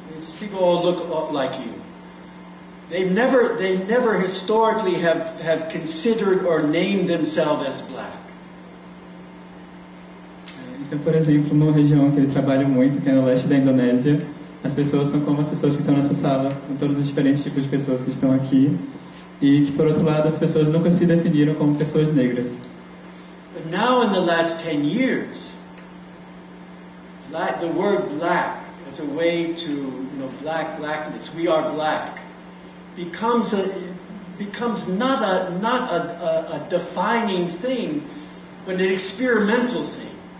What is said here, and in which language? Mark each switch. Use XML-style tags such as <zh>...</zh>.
<en>It's people all look like you. They never historically have considered or named themselves as black.</en> <pt>Então, por exemplo, numa região que ele trabalha muito, que é no leste da Indonésia, as pessoas são como as pessoas que estão nessa sala, com todos os diferentes tipos de pessoas que estão aqui, e que, por outro lado, as pessoas nunca se definiram como pessoas negras.</pt> <en>But now, in the last 10 years, the word black, as a way to, you know, blackness, we are black, becomes not a defining thing, but an experimental thing.</en>